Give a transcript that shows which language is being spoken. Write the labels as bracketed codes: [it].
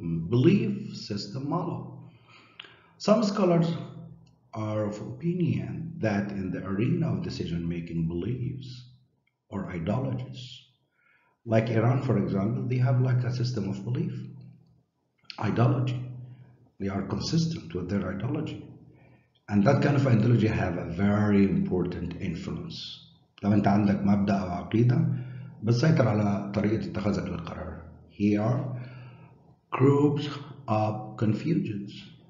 [en] Belief system model. Some scholars are of opinion that in the arena of decision-making, beliefs or ideologies, like Iran, for example, they have like a system of belief, ideology. They are consistent with their ideology. And that kind of ideology have a very important influence. [ar] لو انت عندك مبدأ أو عقيدة بتسيطر على طريقة اتخاذك للقرار. [en] Here, groups of confusions.